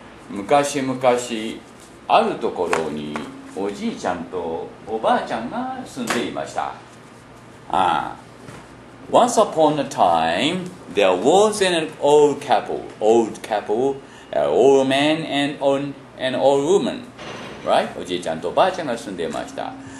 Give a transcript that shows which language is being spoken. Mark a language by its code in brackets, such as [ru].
[ja] 昔々あるところにおじいちゃんとおばあちゃんが住んでいました。ああ。 [en] Once upon a time, there was an old couple, an old man and an old woman. Right? [ja] おじいちゃんとおばあちゃんが住んでいました。